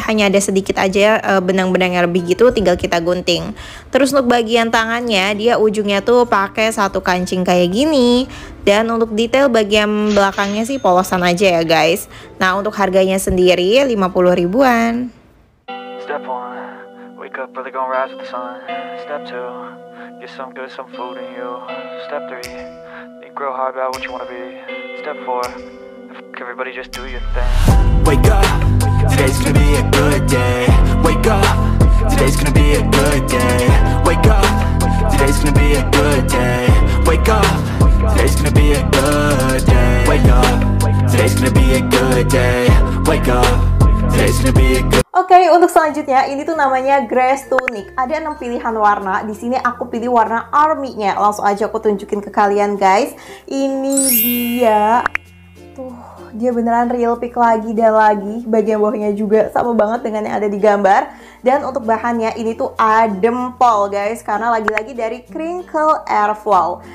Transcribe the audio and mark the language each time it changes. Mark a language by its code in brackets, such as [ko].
[id] Hanya ada sedikit aja benang-benang yang lebih gitu, tinggal kita gunting. Terus untuk bagian tangannya, dia ujungnya tuh pakai satu kancing kayak gini. Dan untuk detail bagian belakangnya sih polosan aja ya guys. Nah, untuk harganya sendiri 50 ribuan. [en] Step 1, wake up early gonna rise with the sun. Step 2, get some good, some food in you. Step 3, think real hard about what you wanna be. Step 4, fuck everybody, just do your thing. Wake up, today's gonna be a good day. Wake up, today's gonna be a good day. Wake up, today's gonna be a good day. Wake up, today's gonna be a good day. Wake up, today's gonna be a good day. Wake up, today's gonna be a good day. [id] Oke, untuk selanjutnya ini tuh namanya Grace Tunic. Ada 6 pilihan warna. Di sini aku pilih warna army-nya. Langsung aja aku tunjukin ke kalian, guys. Ini dia. Tuh, dia beneran real pick lagi dan lagi. Bagian bawahnya juga sama banget dengan yang ada di gambar. Dan untuk bahannya ini tuh adem pol, guys, karena lagi-lagi dari crinkle airflow.